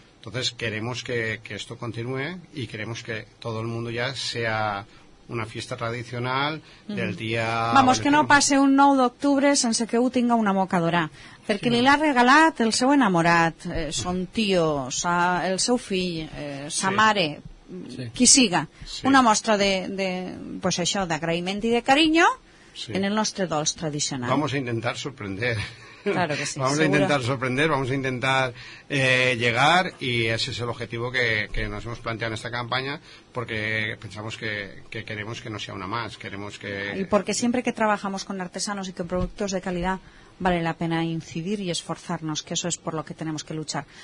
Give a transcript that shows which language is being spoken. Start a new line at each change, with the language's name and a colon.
Spanish: Entonces queremos que esto continúe, y queremos que todo el mundo ya sea una fiesta tradicional del día. Vamos, que no pase un
Catalan: 9 d'octubre sense que ho tinga una mocadora. Perquè li l'ha regalat el seu enamorat, son tío, el seu fill, sa mare, qui siga. Sí. Una mostra de pues això, d'agraïment i de carinyo en el nostre dolç tradicional.
Spanish: Vamos a intentar sorprender. Claro que sí, vamos seguro. A intentar sorprender, vamos a intentar llegar, y ese es el objetivo que nos hemos planteado en esta campaña, porque pensamos que queremos que no sea una más, queremos que... Y porque siempre que trabajamos con artesanos y con productos de calidad, vale la pena incidir y esforzarnos, que eso es por lo que tenemos que luchar.